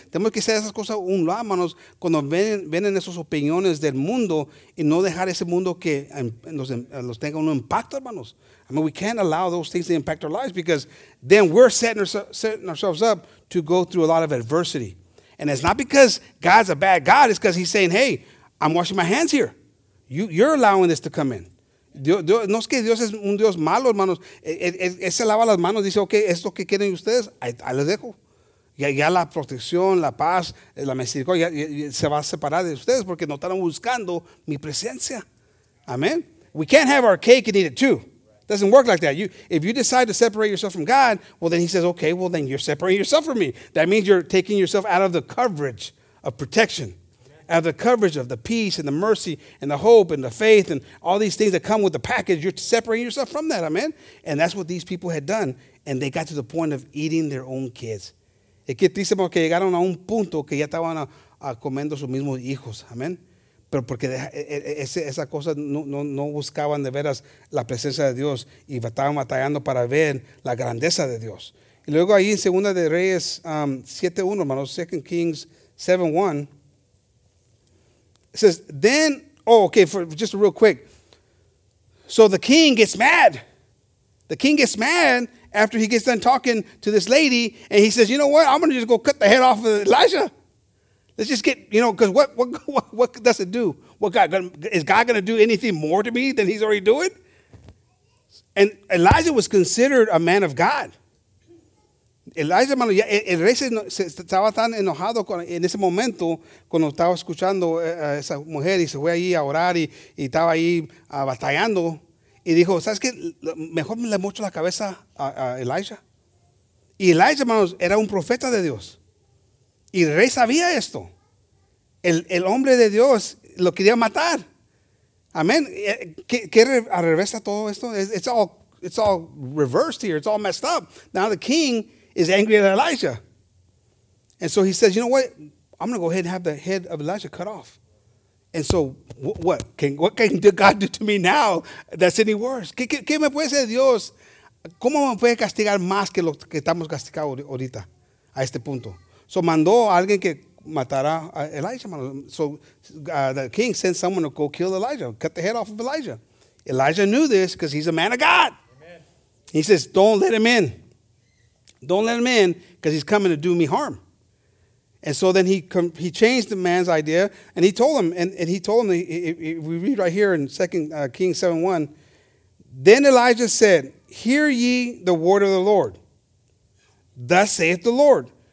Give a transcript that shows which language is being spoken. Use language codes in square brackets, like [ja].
[es] Tenemos que hacer esas cosas un lado, hermanos, cuando vienen esas opiniones del mundo y no dejar ese mundo que nos tenga un impacto, hermanos. [en] I mean, we can't allow those things to impact our lives because then we're setting ourselves up to go through a lot of adversity. And it's not because God's a bad God. It's because he's saying, hey, I'm washing my hands here. You're allowing this to come in. [es] No es que Dios es un Dios malo, hermanos. Él se lava las manos, dice, ok, esto que quieren ustedes, ahí les dejo. Ya la protección, la paz, la misericordia, ya se va a separar de ustedes porque no están buscando mi presencia. [en] Amen. We can't have our cake and eat it too. Doesn't work like that. If you decide to separate yourself from God, well, then he says, okay, well, then you're separating yourself from me. That means you're taking yourself out of the coverage of protection. Out of the coverage of the peace and the mercy and the hope and the faith and all these things that come with the package, you're separating yourself from that, amen? And that's what these people had done, and they got to the point of eating their own kids. [es] Es que dicen que llegaron a un punto que ya estaban a comiendo sus mismos hijos, amen? Pero porque esa cosa no buscaban de veras la presencia de Dios y estaban batallando para ver la grandeza de Dios. Y luego ahí en Segunda de Reyes 7:1, hermanos, [en] 2 Kings 7:1, it says, then, just real quick. So the king gets mad. The king gets mad after he gets done talking to this lady. And he says, you know what? I'm going to just go cut the head off of Elijah. Let's just get, you know, because what does it do? Is God going to do anything more to me than he's already doing? And Elijah was considered a man of God. [es] Elijah, hermano, el rey se estaba tan enojado en ese momento cuando estaba escuchando a esa mujer y se fue ahí a orar y estaba ahí batallando. Y dijo, ¿sabes qué? Mejor me le mocho la cabeza a Elijah. Y Elijah, hermanos, era un profeta de Dios. Y el rey sabía esto. El hombre de Dios lo quería matar. Amén. ¿Qué reversa todo esto? [en] It's all reversed here. It's all messed up. Now the king is angry at Elijah. And so he says, you know what? I'm going to go ahead and have the head of Elijah cut off. And so what can God do to me now that's any worse? [es] ¿Qué me puede hacer Dios? ¿Cómo me puede castigar más que lo que estamos castigados ahorita a este punto? So mandó a alguien que matara a Elijah. [en] So the king sent someone to go kill Elijah, cut the head off of Elijah. Elijah knew this because he's a man of God. Amen. He says, don't let him in. Don't let him in because he's coming to do me harm. And so then he changed the man's idea, and he told him, we read right here in 2 Kings 7:1, then Elijah said, hear ye the word of the Lord. Thus saith the Lord,